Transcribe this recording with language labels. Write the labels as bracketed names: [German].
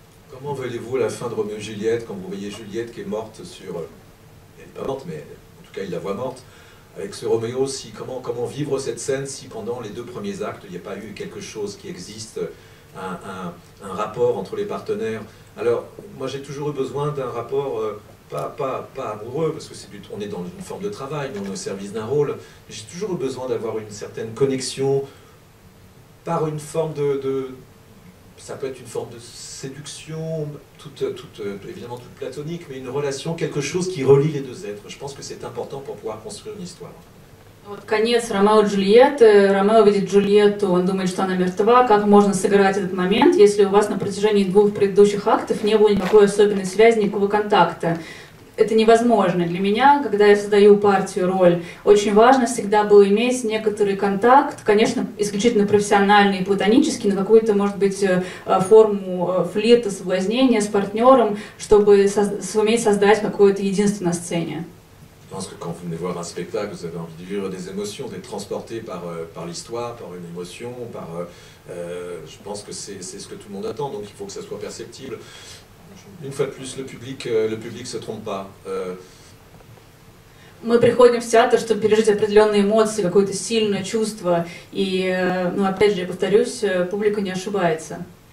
[French] Comment voyez-vous la fin de Roméo et Juliette, quand vous voyez Juliette qui est morte sur... Elle n'est pas morte, mais en tout cas, il la voit morte. Avec ce Roméo, si, comment vivre cette scène si pendant les deux premiers actes, il n'y a pas eu quelque chose qui existe, un rapport entre les partenaires? Alors, moi j'ai toujours eu besoin d'un rapport, pas amoureux, parce que on est dans une forme de travail, mais on est au service d'un rôle. J'ai toujours eu besoin d'avoir une certaine connexion par une forme ça peut être une forme de séduction, évidemment toute platonique, mais une relation, quelque chose qui relie les deux êtres. Je pense que c'est important pour pouvoir construire une histoire. [Russian] Вот конец Ромео и Джульетты. Ромео видит Джульетту, он думает, что она мертва. Как можно сыграть этот момент, если у вас на протяжении двух предыдущих актов не было никакой особенной связи, никакого контакта? Это невозможно. Для меня, когда я создаю партию, роль, очень важно всегда было иметь некоторый контакт, конечно, исключительно профессиональный и платонический, но какую-то, может быть, форму флирта, соблазнения с партнером, чтобы суметь создать какое-то единство на сцене. [French] Je pense que quand vous venez voir un spectacle, vous avez envie de vivre des émotions, d'être transporté par l'histoire, par une émotion, je pense que c'est ce que tout le monde attend, donc il faut que ça soit perceptible. Une fois de plus, le public se trompe pas. [Russian] Мы приходим в театр, чтобы пережить определенные эмоции, какое-то сильное чувство, и, ну, опять же, я повторюсь, публика не ошибается.